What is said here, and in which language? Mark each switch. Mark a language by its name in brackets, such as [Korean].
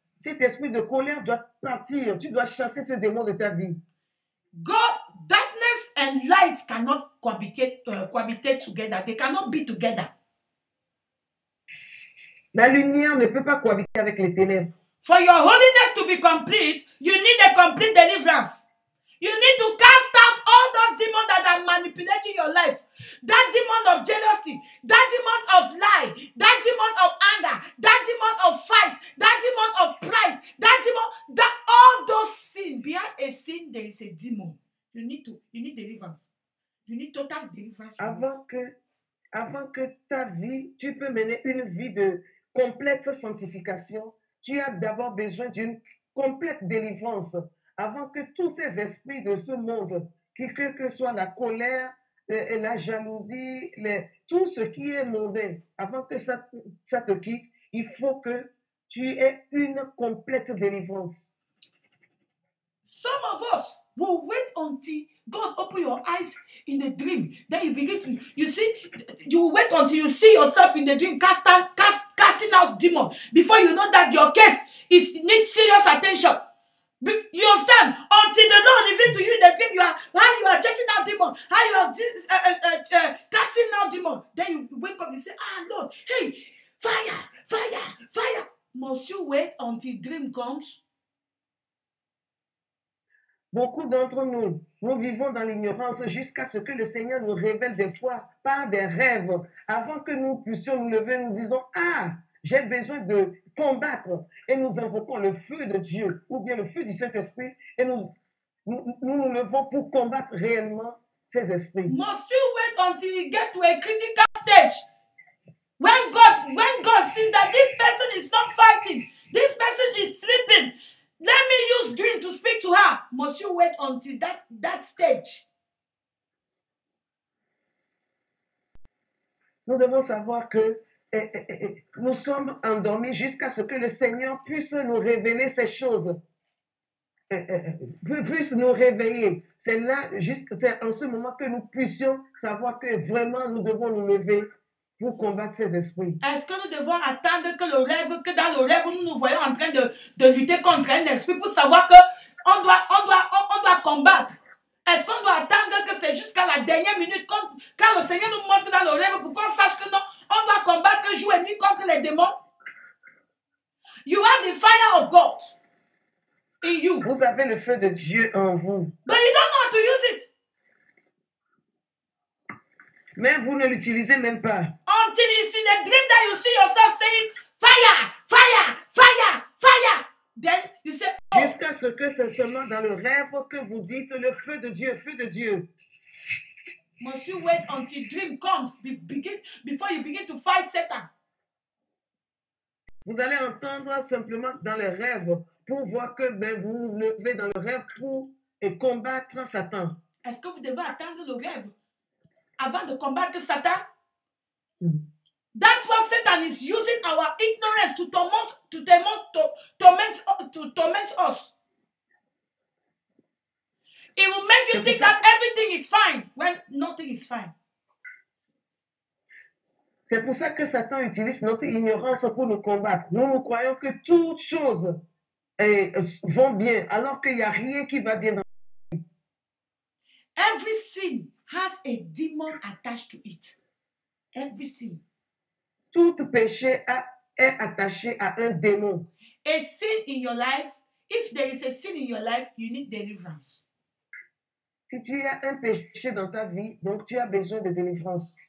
[French] Cet esprit de colère doit partir. Tu dois chasser ce démon de ta vie. [English] God, darkness and light cannot cohabitate together. They cannot be together. [French] La lumière ne peut pas cohabiter avec les ténèbres. [English] For your holiness to be complete, you need a complete deliverance. You need to cast out all those demons that are manipulating your life, that demon of jealousy, that demon of lie, that demon of anger, that demon of fight, that demon of pride, that demon, that all those sin, behind a sin, there is a demon. You need deliverance. You need total deliverance. [French] Avant que ta vie, tu peux mener une vie de complète sanctification, tu as d'abord besoin d'une complète délivrance avant que tous ces esprits de ce monde, quelle que soit la colère, la jalousie, tout ce qui est mauvais, avant que ça te quitte, il faut que tu aies une complète délivrance. [English] Some of us will wait until God open your eyes in the dream. Then you begin to, you see, you wait until you see yourself in the dream casting out demon before you know that your case is need serious attention. You understand? Until the Lord reveals to you in the dream, you are chasing out demon, how you are casting out demon. Then you wake up and say, ah, Lord, hey, fire, fire, fire. Must you wait until dream comes? [French] Beaucoup d'entre nous vivons dans l'ignorance jusqu'à ce que le Seigneur nous révèle des fois par des rêves avant que nous puissions nous lever, nous disons « Ah, j'ai besoin de combattre » et nous invoquons le feu de Dieu ou bien le feu du Saint-Esprit et nous levons pour combattre réellement ces esprits. [English] Monsieur, wait until you get to a critical stage. When God sees that this person is not fighting, this person is sleeping, let me use dream to speak to her. Must you wait until that stage? [French] Nous devons savoir que nous sommes endormis jusqu'à ce que le Seigneur puisse nous révéler ces choses. Puisse nous réveiller. C'est là, c'est en ce moment que nous puissions savoir que vraiment nous devons nous lever pour combattre ces esprits. Est-ce que nous devons attendre que le rêve, que dans le rêve, nous nous voyons en train de lutter contre un esprit pour savoir que on doit combattre? Est-ce qu'on doit attendre que c'est jusqu'à la dernière minute quand le Seigneur nous montre dans le rêve pour qu'on sache que non, on doit combattre jour et nuit contre les démons? [English] You have the fire of God in you. [French] Vous avez le feu de Dieu en vous. [English] But you don't know how to use it. [French] Mais vous ne l'utilisez même pas. [English] Until it's in a dream that you see yourself saying fire, fire, fire, fire. Then you say, oh. [French] Jusqu'à ce que c'est seulement dans le rêve que vous dites le feu de Dieu, feu de Dieu. [English] Must you wait until dream comes before you begin to fight Satan? [French] Vous allez entendre simplement dans le rêve pour voir que ben, vous vous levez dans le rêve pour et combattre Satan. Est-ce que vous devez attendre le rêve avant de combattre Satan? [English] That's what Satan is using our ignorance to torment us. It will make you think that everything is fine when nothing is fine. [French] C'est pour ça que Satan utilise notre ignorance pour nous combattre. Nous croyons que toutes choses vont bien alors qu'il n'y a rien qui va bien. [English] Every sin has a demon attached to it. Every sin. [French] Tout péché est attaché à un démon. [English] A sin in your life, if there is a sin in your life, you need deliverance. [French] Si tu as un péché dans ta vie, donc tu as besoin de délivrance.